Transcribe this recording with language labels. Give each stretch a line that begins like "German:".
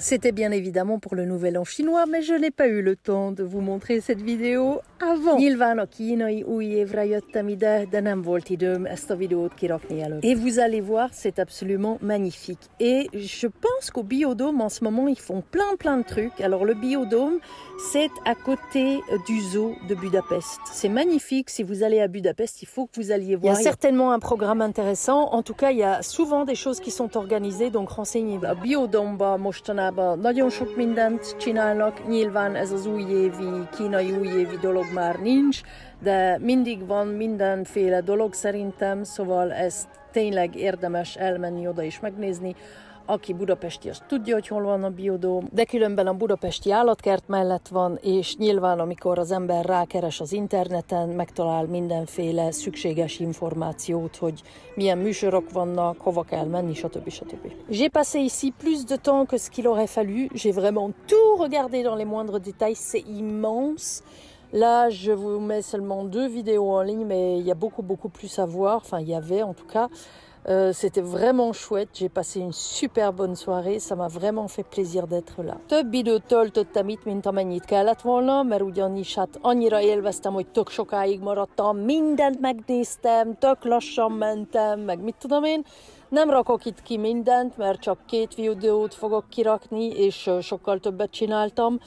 French: C'était bien évidemment pour le nouvel an chinois, mais je n'ai pas eu le temps de vous montrer cette vidéo avant.
Hungarian: Nyilván a kínai új évre jöttem ide, de nem volt időm ezt a videót kirakni előtt.
French: Et vous allez voir, c'est absolument magnifique. Et je pense qu'au biodôme, en ce moment, ils font plein de trucs. Alors le biodôme, c'est à côté du zoo de Budapest. C'est magnifique, si vous allez à Budapest, il faut que vous alliez voir. Il y a certainement un programme intéressant. En tout cas, il y a souvent des choses qui sont organisées, donc renseignez-vous.
Hungarian: A biodomba mostanában nagyon sok mindent csinálnak. Nyilván ez az újévi, kínai újévi dolog már nincs, de mindig van mindenféle dolog szerintem, szóval ezt tényleg érdemes elmenni oda és megnézni. Aki budapesti, az tudja, hogy hol van a biodóm, de különben a budapesti állatkert mellett van, és nyilván, amikor az ember rákeres az interneten, megtalál mindenféle szükséges információt, hogy milyen műsorok vannak, hova kell menni, stb.
French: J'ai passé ici plus de temps que ce qu'il aurait fallu. J'ai vraiment tout regardé dans les moindres détails. C'est immense. Là, je vous mets seulement deux vidéos en ligne, mais il y a beaucoup plus à voir. Enfin, il y avait en tout cas. C'était vraiment chouette, j'ai passé une super bonne soirée, ça m'a vraiment fait plaisir d'être là.
Hungarian: Több időtől töltöttem itt, mint amennyit kellett volna, mert ugyanis hát annyira élveztem, hogy tök sokáig maradtam, mindent megnéztem, tök lassan mentem, meg mit tudom én. Nem rakok itt ki mindent, mert csak két videót fogok kirakni, és sokkal többet csináltam.